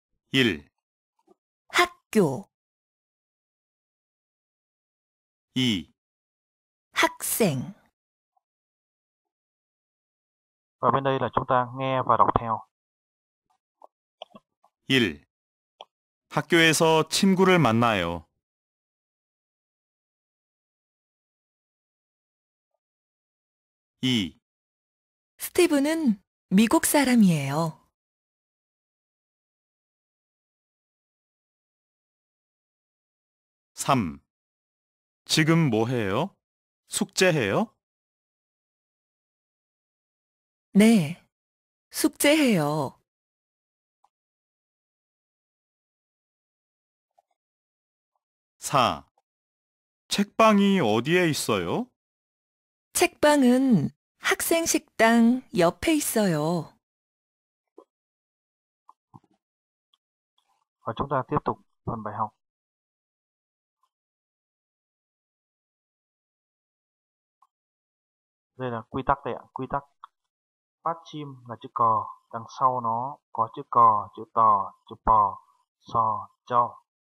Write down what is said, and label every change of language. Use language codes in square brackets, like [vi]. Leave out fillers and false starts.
[ko] Il. Hakkyo. I. Hakseng. [vi] Và bên đây là chúng ta nghe và đọc theo. [ko] Il. 학교에서 친구를 만나요. 2. 스티브는 미국 사람이에요. 3. 지금 뭐 해요? 숙제해요? 네, 숙제해요. 4. 책방이 어디에 있어요? 책방은 학생 식당 옆에 있어요. [vi] 아, chúng ta tiếp tục phần bài học. [ko] 이제 [vi] quy tắc đấy ạ, quy tắc. Bát chim là chữ cò, đằng sau nó có chữ cò, chữ tò, chữ bò, sò, cho.